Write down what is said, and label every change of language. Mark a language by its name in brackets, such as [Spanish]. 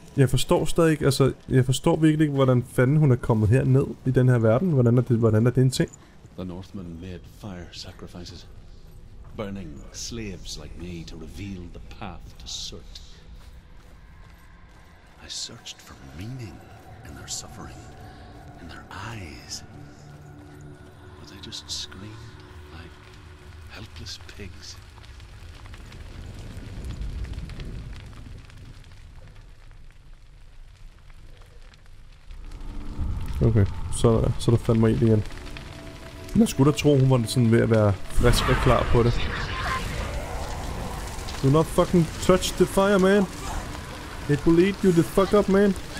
[Danish] Jeg forstår stadig ikke, altså, jeg forstår virkelig ikke, hvordan fanden hun er kommet her ned i den her verden. Hvordan er det en ting? [English] The Northmen made fire sacrifices, burning slaves like me to reveal the path to Surt. I searched for meaning in their suffering, in their eyes, but they just screamed like helpless pigs. [Danish] Okay, så der fandt mig en igen. Jeg skulle da tro, hun var sådan ved at være frisk og klar på det. [English] Do not fucking touch the fire, man. It will eat you the fuck up, man.